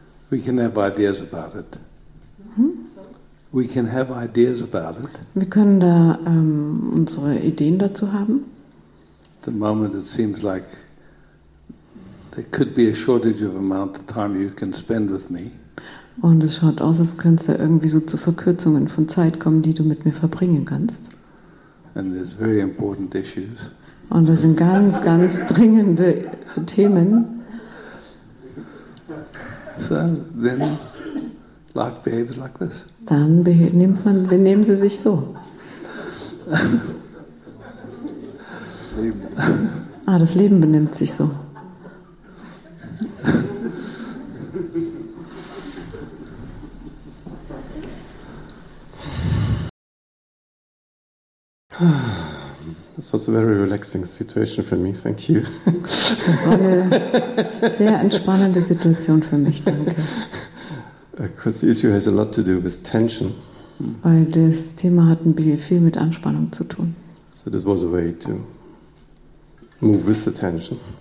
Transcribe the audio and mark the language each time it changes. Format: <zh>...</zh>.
<en>We can have ideas about it. We can have ideas about it.</en> <de>Wir können da unsere Ideen dazu haben.</de> <en>The moment it seems like there could be a shortage of amount of time you can spend with me.</en> <de>Und es schaut aus, als könnte irgendwie so zu Verkürzungen von Zeit kommen, die du mit mir verbringen kannst.</de> <en>And there's very important issues.</en> <de>Und das sind ganz, ganz dringende Themen.</de> <en>So then life behaves like this.</en> <de>Dann benehmen sie sich so. Ah, das Leben benimmt sich so.</de> <en>This was a very relaxing situation for me, thank you.</en> <de>Das war eine sehr entspannende Situation für mich, danke.</de> <en>Because the issue has a lot to do with tension.</en> <de>Weil das Thema hat viel mit Anspannung zu tun.</de> <en>So this was a way to move with the tension.</en>